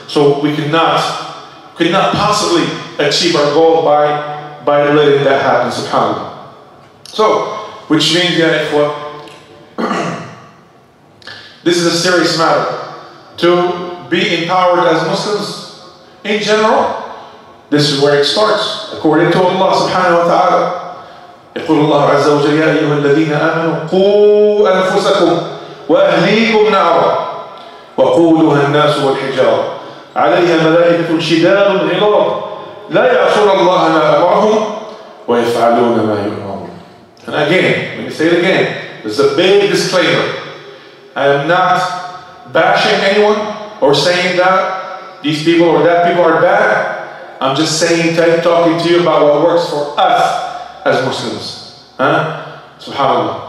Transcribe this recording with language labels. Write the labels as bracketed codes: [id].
[en] So we could not possibly achieve our goal by letting that happen, subhanAllah. So, which means that this is a serious matter. To be empowered as Muslims in general, this is where it starts. According to Allah subhanahu wa ta'ala, [ar] يقول الله عز وجل يا أيها الذين آمنوا قوا أنفسكم وأهليكم نارا وقودها الناس والحجارة عليها ملائكة شداد غلاظ لا يعصون الله ما أمرهم ويفعلون ما يؤمرون. [en] And again, let me say it again, this is a big disclaimer. I am not bashing anyone or saying that these people or that people are bad. I'm just saying, talking to you about what works for us as Muslims. Huh? SubhanAllah.